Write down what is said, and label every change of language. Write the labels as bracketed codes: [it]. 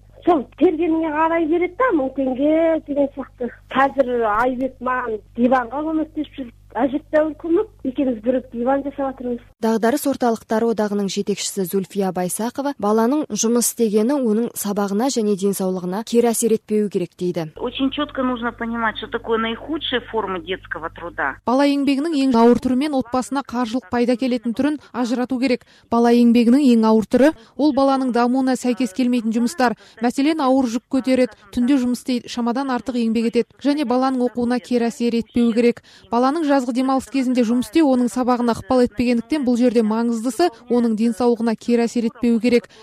[kk] Сол тергеніне қарай береді да, 1000 теңге деген сияқты. Қазір Айбек маған диванға көмектесіп жүр. Әжептәуір көмек, екеуміз бірігіп диван жасап отырмыз. Дағдарыс орталықтары одағының жетекшісі Зульфия Байсақова баланың жұмыс істегені оның сабағына және денсаулығына кері әсер етпеуі керек дейді. [ru] Очень четко нужно понимать, что такое наихудшая форма детского труда. [kk] Бала еңбегінің ең ауыр түрі мен отбасына қаржылық пайда келетін түрін ажырату керек. Бала еңбегінің ең ауыр түрі ол баланың дамуына сәйкес келмейтін жұмыстар. Мәселен, ауыр жүк көтереді, түнде жұмыс істейді, шамадан артық еңбек етеді және баланың оқуына кері әсер етпеуі керек. Баланың жазғы демалыс кезінде жұмыс істеу оның сабағына ықпал етпегендіктен бұл жерде маңыздысы оның денсаулығына кері әсер етпеуі керек.